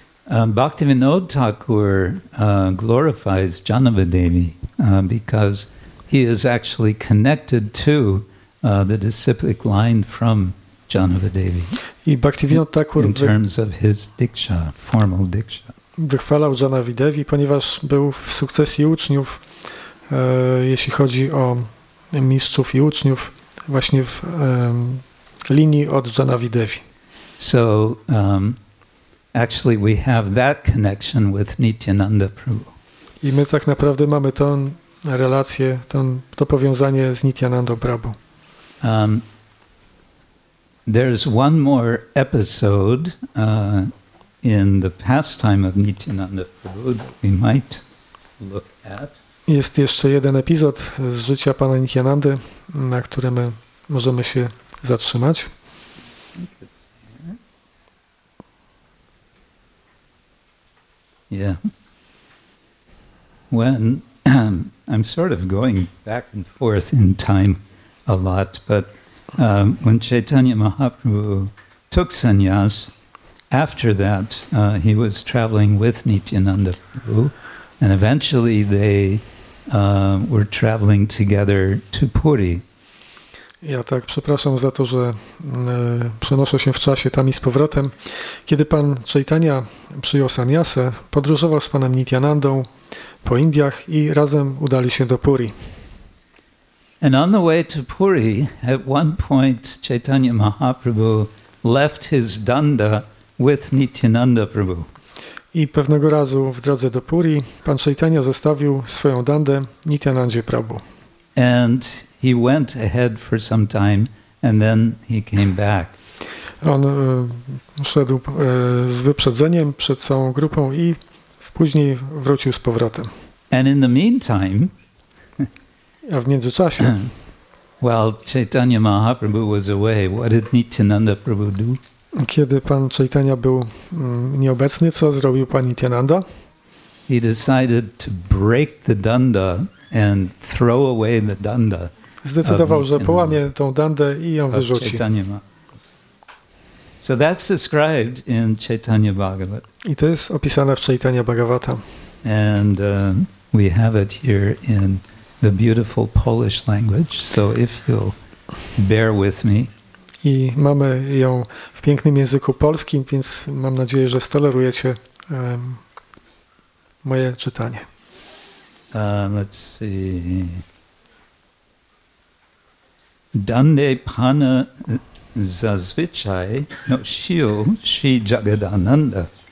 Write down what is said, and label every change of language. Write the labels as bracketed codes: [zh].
[en] Bhaktivinoda Thakur glorifies Janava Devi because he is actually connected to the disciplic line from Janava Devi. [pl] I Bhaktivinoda Thakur [en] in terms of his diksha, formal diksha. [pl] Wychwalał Janavi Devi, ponieważ był w sukcesji uczniów, jeśli chodzi o mistrzów i uczniów, właśnie w linii od Janavi Devi. [en] So actually we have that connection with Nityananda Prabhu. [pl] I my tak naprawdę mamy tą relację, to powiązanie z Nityanandą Prabhu. [en] There's one more episode in the pastime of Nityananda Prabhu we might look at. [pl] Jest jeszcze jeden epizod z życia pana Nityanandy, na którym możemy się zatrzymać. [en] Yeah. When I'm sort of going back and forth in time a lot, but when Chaitanya Mahaprabhu took sannyas, after that he was traveling with Nityananda Prabhu, and eventually they were traveling together to Puri. [pl] Ja tak przepraszam za to, że przenoszę się w czasie tam i z powrotem. Kiedy pan Chaitanya przyjął sannyasę, podróżował z panem Nityanandą po Indiach i razem udali się do Puri. [en] And on the way to Puri, at one point Chaitanya Mahaprabhu left his danda with Nityananda Prabhu. [pl] I pewnego razu w drodze do Puri pan Chaitanya zostawił swoją dandę Nityanandzie Prabhu. [en] And he went ahead for some time and then he came back. [pl] On szedł z wyprzedzeniem przed całą grupą i później wrócił z powrotem. [en] And in the meantime, [pl] a w międzyczasie, [en] while Chaitanya Mahaprabhu was away, what did Nityananda Prabhu do? [pl] Kiedy pan Chaitanya był nieobecny, co zrobił pan Nityananda? [en] He decided to break the danda and throw away the danda. [pl] Zdecydował, że połamie tą dandę i ją wyrzuci. [en] So that's described in Chaitanya Bhagavat. [pl] I to jest opisane w Chaitanya Bhagavata. [en] And we have it here in the beautiful Polish language. So if you'll bear with me. [pl] I mamy ją w pięknym języku polskim, więc mam nadzieję, że stolerujecie moje czytanie. [en] Let's see. [pl] Dande pana zazwyczaj nosił Sri Jagadananda.